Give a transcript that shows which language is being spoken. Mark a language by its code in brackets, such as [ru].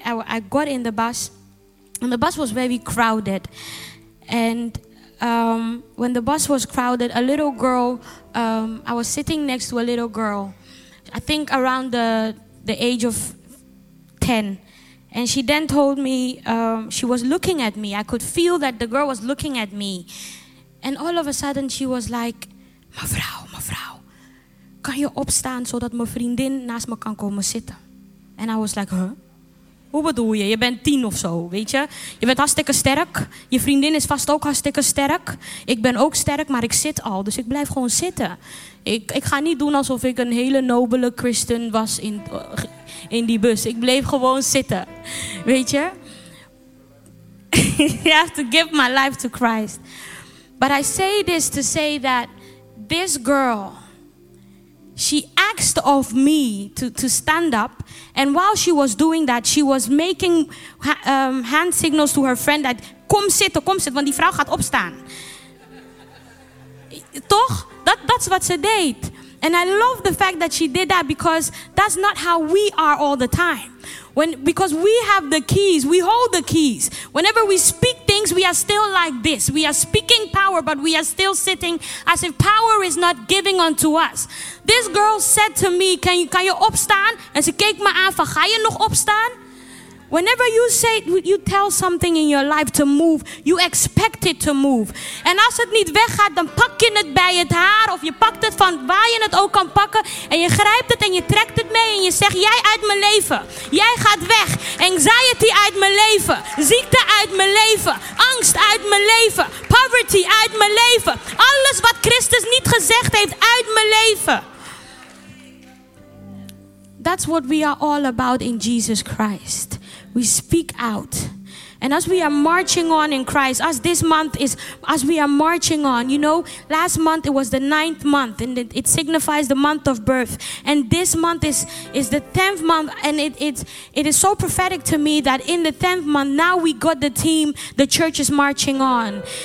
[en] I got in the bus, and the bus was very crowded, and when the bus was crowded, a little girl, I was sitting next to a little girl, I think around the age of 10. And she then told me, she was looking at me. I could feel that the girl was looking at me. And all of a sudden she was like, [nl] mevrouw, mevrouw, kan je opstaan zodat mijn vriendin naast me kan komen zitten? [en] And I was like, huh? [nl] Hoe bedoel je? Je bent 10 of zo, weet je? Je bent hartstikke sterk. Je vriendin is vast ook hartstikke sterk. Ik ben ook sterk, maar ik zit al. Dus ik blijf gewoon zitten. Ik ga niet doen alsof ik een hele nobele christen was in die bus. Ik bleef gewoon zitten, weet je? [en] You have to give my life to Christ. But I say this to say that this girl, she asked of me to stand up. And while she was doing that, she was making hand signals to her friend that, [nl] kom zitten, want die vrouw gaat opstaan. [en] Toch? That's what she did. And I love the fact that she did that, because that's not how we are all the time. Because we have the keys, we hold the keys. Whenever we speak things, we are still like this. We are speaking power, but we are still sitting as if power is not giving unto us. This girl said to me, can you opstaan? And she [nl] keek me aan van, ga je nog opstaan? [en] Whenever you say, you tell something in your life to move, you expect it to move. [nl] En als het niet weggaat, dan pak je het bij het haar, of je pakt het van waar je het ook kan pakken, en je grijpt het en je trekt het mee en je zegt, jij uit mijn leven. Jij gaat weg. Anxiety uit mijn leven. Ziekte uit mijn leven. Angst uit mijn leven. Poverty uit mijn leven. Alles wat Christus niet gezegd heeft, uit mijn leven. [en] That's what we are all about in Jesus Christ. We speak out. And as we are marching on in Christ, as we are marching on, you know, last month it was the 9th month, and it signifies the month of birth. And this month is the 10th month, and it is so prophetic to me that in the 10th month, now we got the team, the church is marching on.